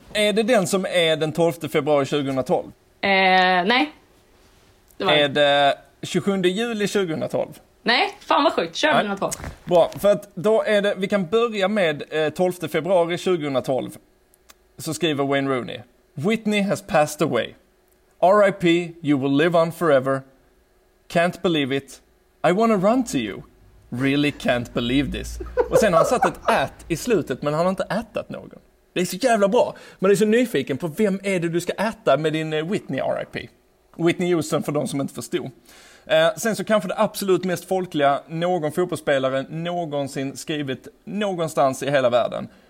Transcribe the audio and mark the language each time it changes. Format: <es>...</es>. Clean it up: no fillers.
<sv>Är det den som är den 12 februari 2012? Nej. Är det 27 juli 2012? Nej, fan vad sjukt. Kör mina två. Bra, för att då är det, vi kan börja med 12 februari 2012. Så skriver Wayne Rooney:</sv> <en>Whitney has passed away. RIP, you will live on forever. Can't believe it. I wanna run to you. Really can't believe this.</en> <sv>Och sen har han satt ett at i slutet, men han har inte ätat någon. Det är så jävla bra. Man är så nyfiken på vem är det du ska äta med din Whitney RIP. Whitney Houston, för de som inte förstod. Sen så kanske det absolut mest folkliga någon fotbollsspelare någonsin skrivit någonstans i hela världen.</sv>